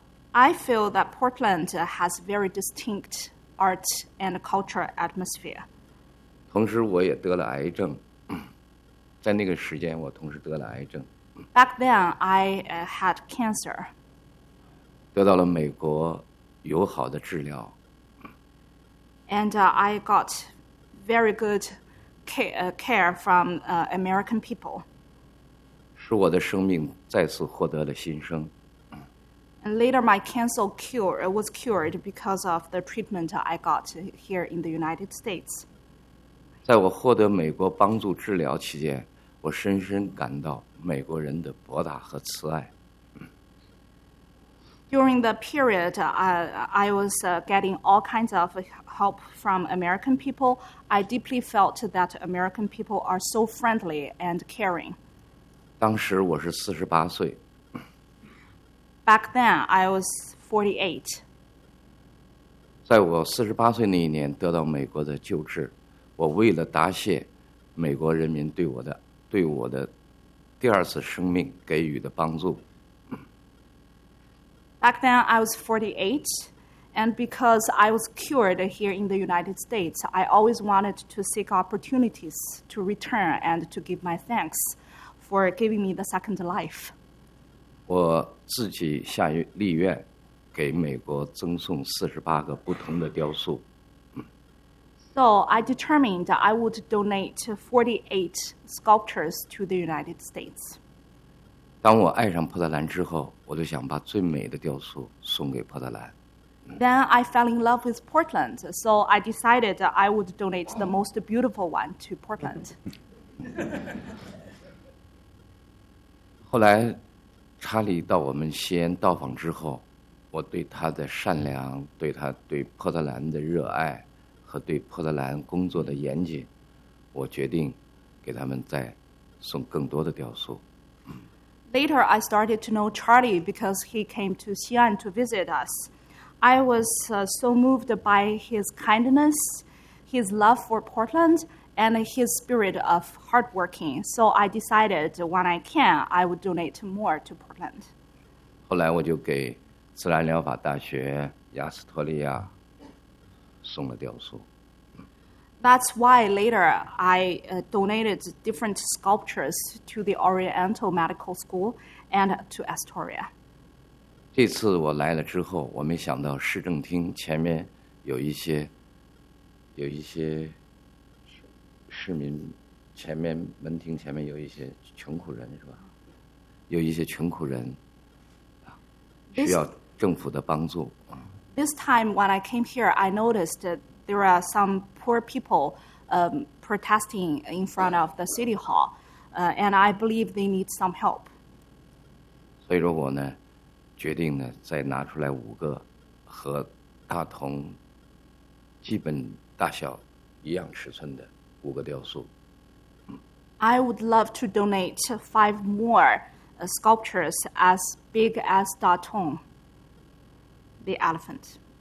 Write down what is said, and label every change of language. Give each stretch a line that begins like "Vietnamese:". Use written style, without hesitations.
English: I feel that Portland has very distinct art and culture atmosphere.
Chinese: 同时我也得了癌症，在那个时间我同时得了癌症。
English: Back then, I had cancer.
Chinese: 得到了美国友好的治疗。
English: And I got very good care from American people.
Chinese: 使我的生命再次获得了新生。
English: And later, my cancer was cured because of the treatment I got here in the United States.
Chinese: 在我获得美国帮助治疗期间，我深深感到美国人的博大和慈爱。
English: During the period, I was getting all kinds of help from American people. I deeply felt that American people are so friendly and caring.
Chinese: 当时我是48岁。
English: Back then, I was 48.
Chinese: 在我48岁那一年得到美国的救治，我为了答谢美国人民对我的第二次生命给予的帮助。
English: Back then, I was 48, and because I was cured here in the United States, I always wanted to seek opportunities to return and to give my thanks for giving me the second life.
Chinese: 我自己下立愿给美国赠送48个不同的雕塑。
English: So I determined I would donate 48 sculptures to the United States.
Chinese: 当我爱上波特兰之后，我就想把最美的雕塑送给波特兰。
English: Then I fell in love with Portland, so I decided I would donate the most beautiful one to Portland.
Chinese: 后来，查理到我们西安到访之后，我对他的善良，对他对波特兰的热爱。和对波特兰工作的严谨，我决定给他们再送更多的雕塑。
English: Later, I started to know Charlie because he came to Xi'an to visit us. I was so moved by his kindness, his love for Portland, and his spirit of hardworking. So I decided when I can, I would donate more to Portland.
Chinese: 后来我就给自然疗法大学亚斯托利亚。送了雕塑。
English: That's why later I donated different sculptures to the Oriental Medical School and to Astoria.
Chinese: 这次我来了之后，我没想到市政厅前面有一些市民前面门厅前面有一些穷苦人是吧？有一些穷苦人需要政府的帮助。
English: This time when I came here, I noticed that there are some poor people protesting in front of the city hall, and I believe they need some help.
Chinese: 所以说我呢，决定呢，再拿出来5个和大同基本大小一样尺寸的5个雕塑。
English: I would love to donate 5 more sculptures as big as Da Tong. The elephant.